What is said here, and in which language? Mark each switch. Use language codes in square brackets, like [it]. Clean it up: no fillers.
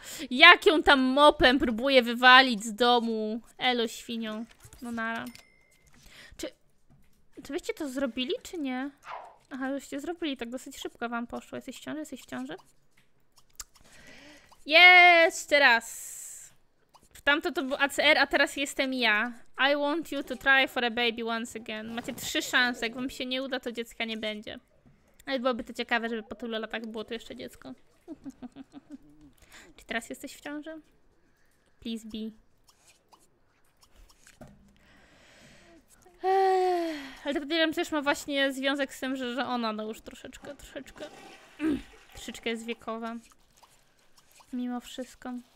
[pl] Jak ją tam mopem próbuje wywalić z domu? Elo, świnią. No nara. Czy wyście to zrobili, czy nie? Aha, żeście zrobili. Tak dosyć szybko wam poszło. Jesteś w ciąży? Jeszcze raz. Tamto to był ACR, a teraz jestem ja. [en] I want you to try for a baby once again. [pl] Macie 3 szanse. Jak wam się nie uda, to dziecka nie będzie. Ale byłoby to ciekawe, żeby po tylu latach było to jeszcze dziecko. Czy teraz jesteś w ciąży? [en] Please be. [pl] Ale to podejrzewam, też ma właśnie związek z tym, że ona no już troszeczkę jest wiekowa. Mimo wszystko.